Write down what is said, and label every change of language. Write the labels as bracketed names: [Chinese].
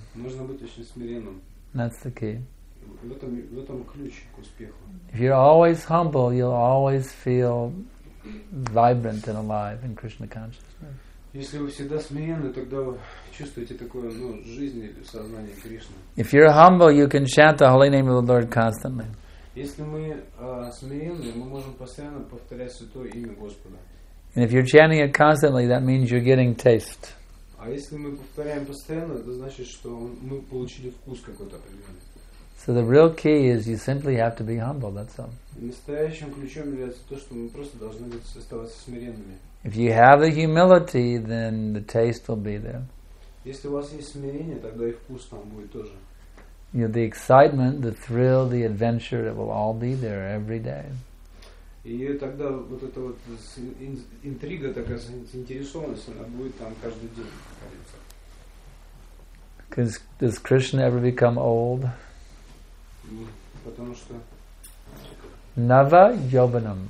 [Russian] Нужно быть очень смиренным. [English] That's the key. [Russian] В этом ключ к успеху. [English] If you're always humble, you'll always feel vibrant and alive in Krishna consciousness. [Russian] Если вы всегда смиренны, тогда чувствуете такое, ну, жизнь или сознание Кришны. [English] If you're humble, you can chant the holy name of the Lord constantly. [Russian] Если мы смиренны, мы можем постоянно повторять святое имя Господа. [English] And if you're chanting it constantly, that means you're getting taste. [Russian] А если мы повторяем постоянно, то значит, что мы получили вкус какой-то определенный. [English] So the real key is you simply have to be humble, that's all. [Russian] Настоящим ключом является то, что мы просто должны оставаться смиренными. [English] If you have the humility, then the taste will be there. [Russian] Если у вас есть смирение, тогда и вкус там будет тоже. [English] You know, the excitement, the thrill, the adventure, it will all be there every day. [Russian] И тогда вот эта вот интрига, такая заинтересованность, она будет там каждый день, кажется. [English] Does Krishna ever become old? [Russian] Потому что... [Sanskrit] Nava Yovanam.